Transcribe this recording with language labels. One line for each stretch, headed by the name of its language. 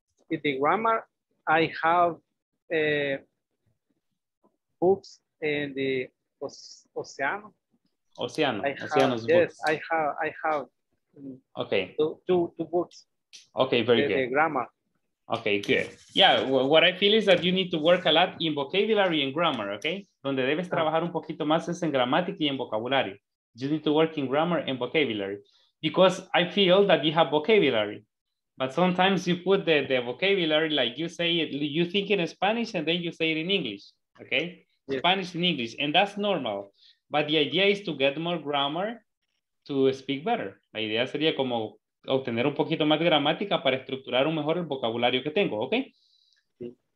English: In the grammar, I have books in the Oceano. Oceano, Oceano's books. Yes, I have okay. two books. Okay, very good. The grammar. Okay, good. Yeah, what I feel is that you need to work a lot in vocabulary and grammar, okay?
Spanish: Donde debes trabajar un poquito más es en gramática y en vocabulario.
English: You need to work in grammar and vocabulary because I feel that you have vocabulary, but sometimes you put the vocabulary, like you say it, you think in Spanish and then you say it in English, okay? Yeah. Spanish and English, and that's normal. But the idea is to get more grammar to speak better.
Spanish: La idea sería como obtener un poquito más gramática para estructurar un mejor el vocabulario que tengo, ¿ok? Sí.